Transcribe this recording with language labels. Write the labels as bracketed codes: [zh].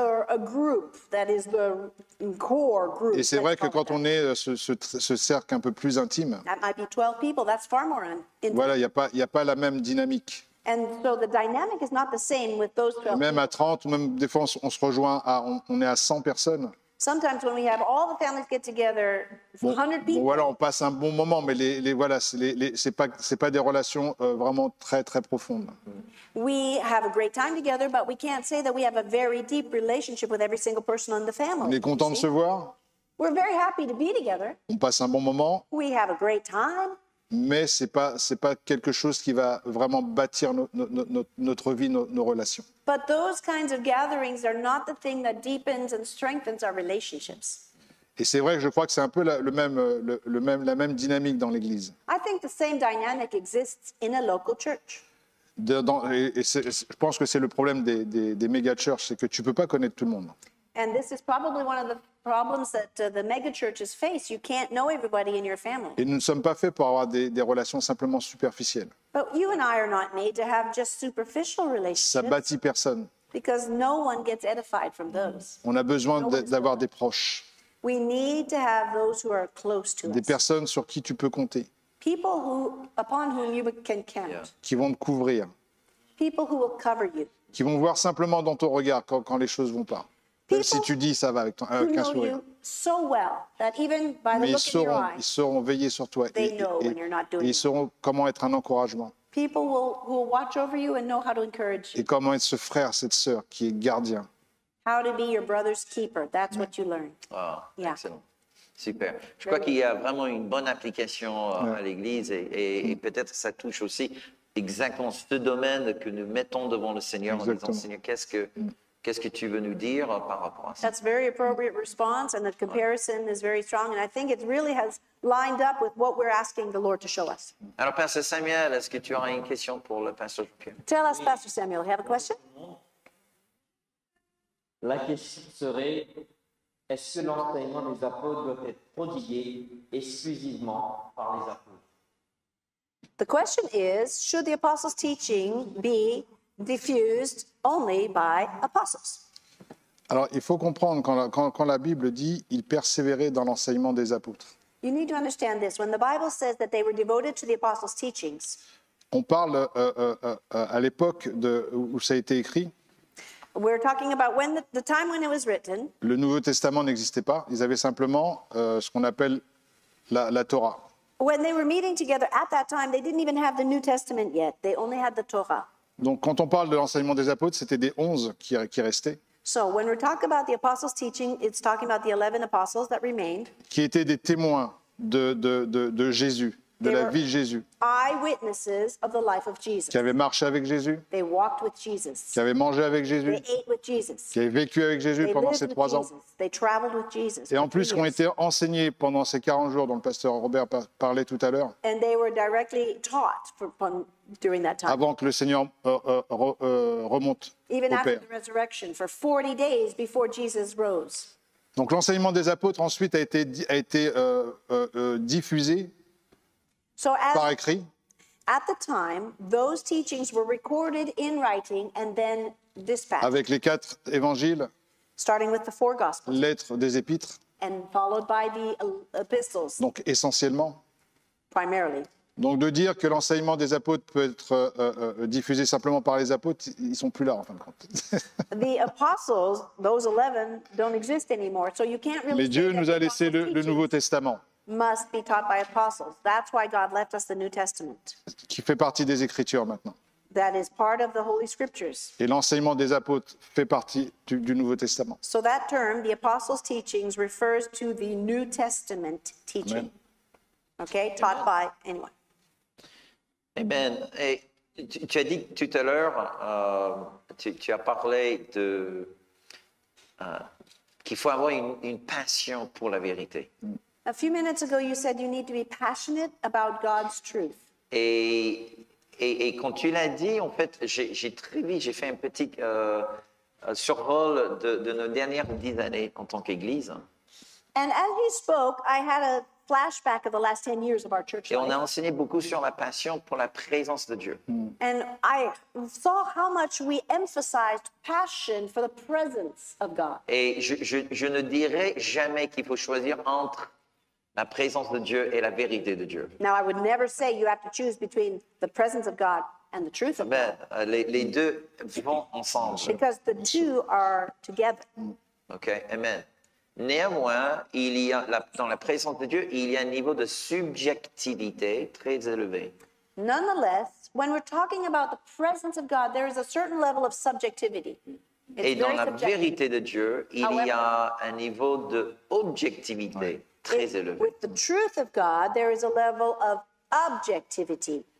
[en] Or a group that is the core group. [fr] Et c'est vrai que quand on est ce cercle un peu plus intime. [en] That might be 12 people. That's far more intimate. [fr] Voilà, il y a pas la même dynamique. [en] And so the dynamic is not the same with those 12. [fr] Même à 30, même des fois on se rejoint à on est à 100 personnes. [en] Sometimes when we have all the families get together, 100 people. [fr] Bon, voilà, on passe un bon moment, mais c'est pas des relations vraiment très très profondes. [en] We have a great time together, but we can't say that we have a very deep relationship with every single person in the family. [fr] On est content de se voir. [en] We're very happy to be together. [fr] On passe un bon moment. [en] We have a great time. [fr] Mais c'est pas quelque chose qui va vraiment bâtir notre vie, nos relations. [en] But those kinds of gatherings are not the thing that deepens and strengthens our relationships. [fr] Et c'est vrai que je crois que c'est un peu la même dynamique dans l'église. [en] I think the same dynamic exists in a local church. [fr] Je pense que c'est le problème des méga churches, c'est que tu peux pas connaître tout le monde. [en] And this is probably one of the problems that the mega churches face. You can't know everybody in your family. [fr] Et nous ne sommes pas faits pour avoir des relations simplement superficielles. [en] But you and I are not made to have just superficial relationships. [fr] Ça bâtit personne. [en] Because no one gets edified from those. [fr] On a besoin d'avoir des proches. [en] We need to have those who are close to us. [fr] Des personnes sur qui tu peux compter. [en] People upon whom you can count. Yeah. [fr] Qui vont te couvrir. [en] People who will cover you. [fr] Qui vont voir simplement dans ton regard quand les choses vont pas. [en] People [fr] si tu dis ça va avec avec un sourire. [en] So well that even by [fr] mais [en] the look [fr] seront, [en] in your eyes, [fr] ils sauront veiller sur toi et ils sauront comment être un encouragement. [en] People will watch over you and know how to encourage you. [fr] Et comment être ce frère, cette sœur qui est gardien. [en] How to be your brother's keeper. That's what you learn. Wow, yeah. Excellent. Super. [fr] Je crois qu'il y a vraiment une bonne application à l'église et peut-être ça touche aussi exactement ce domaine que nous mettons devant le Seigneur exactement. En disant, Seigneur, qu'est-ce que tu veux nous dire par rapport à ça? [en] That's a very appropriate response, and the comparison is very strong, and I think it really has lined up with what we're asking the Lord to show us. [fr] Alors, Pasteur Samuel, est-ce que tu as une question pour le Pasteur Pierre? [en] Tell us, Pasteur Samuel, you have a question? [fr] La question serait, est-ce que l'enseignement des apôtres doit être prodigué exclusivement par les apôtres? [en] The question is, should the apostles' teaching be diffused only by apostles? [fr] Alors, il faut comprendre quand la Bible dit ils persévéraient dans l'enseignement des apôtres. [en] You need to understand this. When the Bible says that they were devoted to the apostles' teachings, [fr] on parle à l'époque où ça a été écrit. [en] We're talking about when the time when it was written. [fr] Le Nouveau Testament n'existait pas. Ils avaient simplement ce qu'on appelle la Torah. [en] When they were meeting together at that time, they didn't even have the New Testament yet. They only had the Torah. [fr] Donc, quand on parle de l'enseignement des apôtres, c'était des 11 qui restaient. [en] So, when we talk about the apostles' teaching, it's talking about the 11 apostles that remained. [fr] Qui étaient des témoins de Jésus, de [en] they [fr] la vie de Jésus. [en] Eyewitnesses of the life of Jesus. [fr] Qui avaient marché avec Jésus. [en] They walked with Jesus. [fr] Qui avaient mangé avec Jésus. [en] They ate with Jesus. [fr] Qui avaient vécu avec Jésus [en] they [fr] pendant ces 3 ans. [en] They traveled with Jesus. [fr] Et en plus, qui ont été enseignés pendant ces 40 jours dont le pasteur Robert parlait tout à l'heure. [en] And they were directly taught during that time. [fr] Avant que le Seigneur remonte [en] even [fr] au Père. [en] After the resurrection, for 40 days before Jesus rose. [fr] Donc l'enseignement des apôtres ensuite a été diffusé [en] so [fr] as, par écrit. [en] At the time, those teachings were recorded in writing and then dispatched. [fr] Avec les 4 évangiles. [en] Starting with the 4 gospels. [fr] Lettres des épîtres. [en] And followed by the epistles. [fr] Donc essentiellement. [en] primarily. [fr] Donc de dire que l'enseignement des apôtres peut être diffusé simplement par les apôtres, ils sont plus là en fin de compte. [en] The apostles, those 11, don't exist anymore, so you can't really. [fr] Mais Dieu nous a laissé le Nouveau Testament. [en] Must be taught by apostles. That's why God left us the New Testament. [fr] Qui fait partie des Écritures maintenant. [en] That is part of the Holy Scriptures. [fr] Et l'enseignement des apôtres fait partie du Nouveau Testament. [en] So that term, the apostles' teachings, refers to the New Testament teaching. Amen. Okay, taught by anyone. Amen. [fr] Et tu as dit tout à l'heure, tu as parlé de qu'il faut avoir une passion pour la vérité. [en] A few minutes ago, you said you need to be passionate about God's truth. [fr] Et quand tu l'as dit, en fait, j'ai fait un petit survol de nos dernières 10 années en tant qu'Église. [en] And as you spoke, I had a flashback of the last 10 years of our church [fr] life. Et on a enseigné beaucoup sur la passion pour la présence de Dieu. [en] And I saw how much we emphasized passion for the presence of God. [fr] Et je ne dirai jamais qu'il faut choisir entre la présence de Dieu et la vérité de Dieu. [en] Now I would never say you have to choose between the presence of God and the truth of God. [fr] Mais les deux vont ensemble. [en] Because the two are together. Okay, amen. [fr] Néanmoins, il y a dans la présence de Dieu, il y a un niveau de subjectivité très élevé. [en] Nonetheless, when we're talking about the presence of God, there is a certain level of subjectivity. [fr] It's et dans la subjective. Vérité de Dieu, il However, y a un niveau de objectivité right. très It, élevé. [en] With the truth of God, there is a level of objectivity.